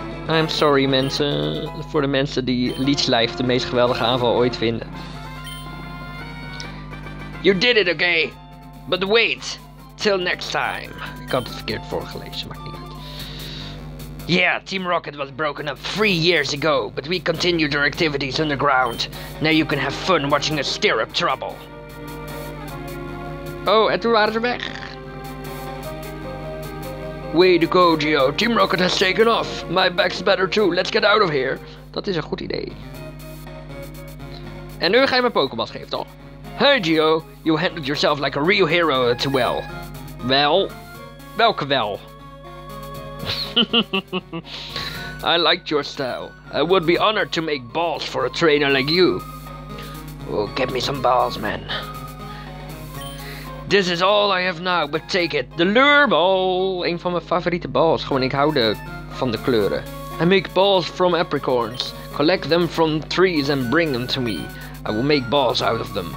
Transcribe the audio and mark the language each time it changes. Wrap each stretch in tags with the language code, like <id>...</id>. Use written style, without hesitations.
<en>I'm sorry,</en> <nl>mensen. Voor de mensen die Leech Life de meest geweldige aanval ooit vinden.</nl> <en>You did it, okay? But wait. Till next time.</en> <nl>Ik had het verkeerd voorgelezen, maar niet.</nl> <en>Yeah, Team Rocket was broken up 3 years ago, but we continued our activities underground. Now you can have fun watching us stir up trouble.</en> <nl>Oh, en toen waren ze weg.</nl> <en>Way to go, Gio. Team Rocket has taken off. My back's better too. Let's get out of here.</en> <nl>Dat is een goed idee. En nu ga je mijn Pokémon geven, toch?</nl> <en>Hey, Gio. You handled yourself like a real hero too well.</en> <nl>Wel? Welke wel?</nl> <en>I liked your style. I would be honored to make balls for a trainer like you. Oh, get me some balls, man. This is all I have now, but take it. The lure ball.</en> <nl>Een van mijn favoriete balls. Gewoon, ik hou van de kleuren.</nl> <en>I make balls from apricorns. Collect them from trees and bring them to me. I will make balls out of them.</en>